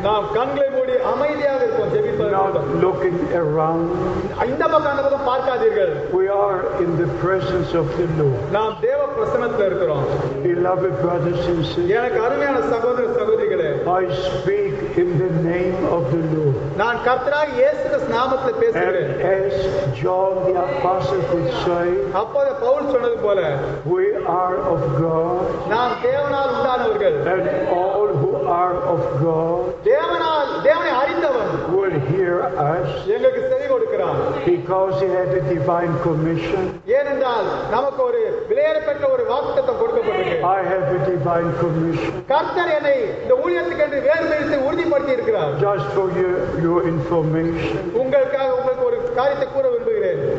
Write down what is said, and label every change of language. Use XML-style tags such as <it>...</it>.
<ta>நாம் கண்களை மூடி அமைதியாக இருப்போம் ஜெபிப்போம்.</ta> <en>Looking around.</en> <ta>இந்த பக்கம் பார்க்காதீர்கள்.</ta> <en>We are in the presence of the Lord.</en> <ta>நாம் தேவ பிரசன்னத்தில் இருக்கிறோம்.</ta> <en>Beloved brothers and sisters.</en> <ta>எனக்கு அருமையான சகோதர சகோதரிகளே.</ta> <en>I speak in the name of the Lord.</en> <ta>நான் கர்த்தராகிய இயேசுவின் நாமத்தில் பேசுகிறேன்.</ta> <en>As John the apostle could say.</en> <ta>அப்போ பவுல் சொன்னது போல.</ta> <en>We are of God.</en> <ta>நாம் தேவனால் உண்டானவர்கள்.</ta> <en>And all who are of God.</en> <ta>தேவனால் தேவனை அறிந்தவன்.</ta> <en>Would hear us.</en> <ta>எங்களுக்கு செவி கொடுக்கிறான்.</ta> <en>Because he had a divine commission.</en> <ta>ஏனென்றால் நமக்கு ஒரு விலையேறப்பட்ட ஒரு வாக்குத்தத்தம் கொடுக்கப்பட்டிருக்கு.</ta> <en>I have a divine commission.</en> <ta>கர்த்தர் என்னை இந்த ஊழியத்துக்கு என்று வேறுபடுத்தி உறுதிப்படுத்தி இருக்கிறார்.</ta> <en>Just for your information.</en> <ta>உங்களுக்காக உங்களுக்கு ஒரு காரியத்தை கூற விரும்புகிறேன்.</ta>